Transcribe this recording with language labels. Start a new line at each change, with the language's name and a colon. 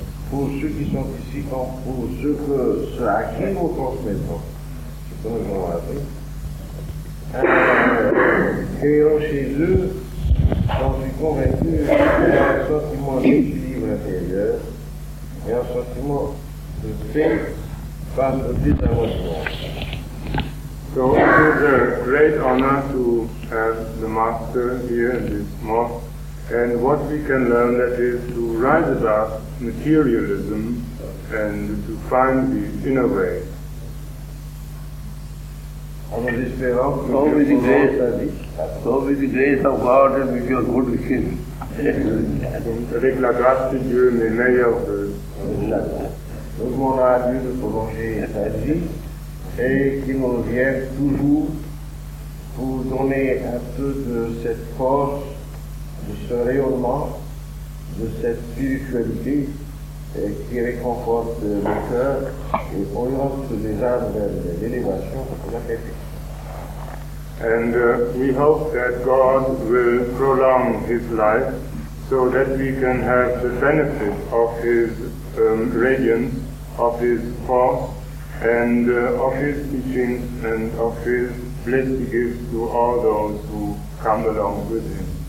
French: Pour ceux qui sont ici, pour ceux que ce à qui nous transmettons, ce que nous avons appris, créons chez eux, j'en suis convaincu, un sentiment d'équilibre intérieur et un sentiment de paix face au désarroi.
English: So it is a great honor to have the Master here in this mosque. And what we can learn that is to rise above materialism and to find the inner way. So with the grace of God and with your good wishes.
French: Avec la grâce de Dieu, mes meilleurs vœux. Nous demandons à Dieu de prolonger sa vie et qu'il nous revienne toujours pour donner un peu de cette force. De ce rayonnement, de cette spiritualité qui réconforte le cœur et oriente les âmes vers l'élévation de la perfection.
English: And we hope that God will prolong His life so that we can have the benefit of His radiance, of His force, and of His teaching and of His blessed gifts to all those who come along with Him.